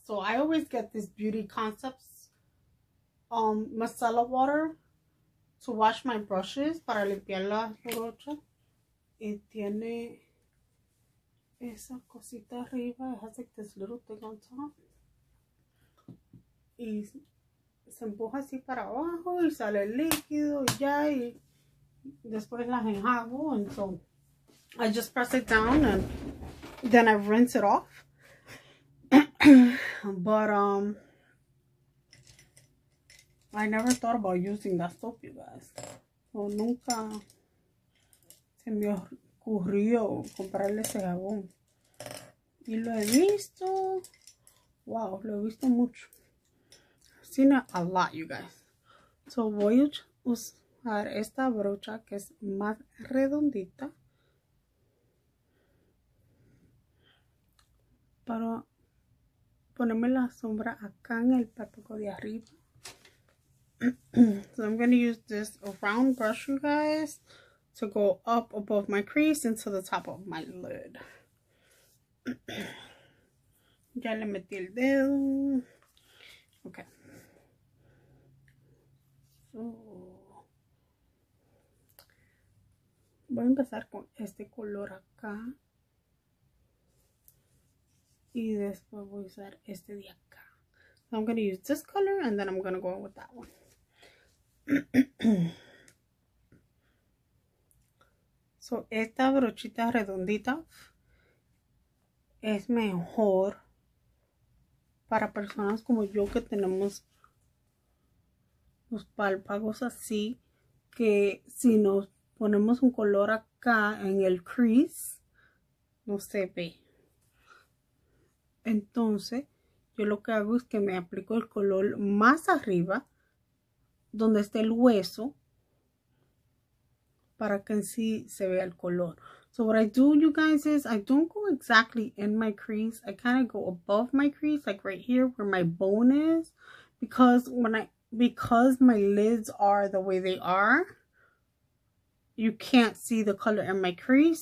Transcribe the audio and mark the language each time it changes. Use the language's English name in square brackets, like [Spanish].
[English] So I always get this Beauty Concepts micellar water to wash my brushes, [Spanish] para limpiar las brochas. Y tiene esa cosita arriba, [English] it has like this little thing on top. [Spanish] Y se empuja así para abajo y sale el líquido y ya, y después las enjago. [English] And so I just press it down and then I rinse it off. But I never thought about using that soap, you guys. [Spanish] So nunca se me ocurrió comprarle ese jabón. Y lo he visto. Wow, lo he visto mucho. [English] Seen it a lot, you guys. [Spanish] So voy a usar esta brocha que es más redondita. Para ponerme la sombra acá en el párpado de arriba. [English] So I'm going to use this round brush, you guys, to go up above my crease into the top of my lid. [Spanish] Ya le metí el dedo. Okay. So, voy a empezar con este color acá. Y después voy a usar este de acá. [English] So I'm going to use this color and then I'm going to go in with that one. [Spanish] So esta brochita redondita es mejor para personas como yo que tenemos los párpados así, que si nos ponemos un color acá en el crease no se ve. Entonces yo lo que hago es que me aplico el color más arriba donde esté el hueso, para que en sí se vea el color. [English] So what I do, you guys, is I don't go exactly in my crease. I kind of go above my crease, like right here where my bone is. Because my lids are the way they are, you can't see the color in my crease.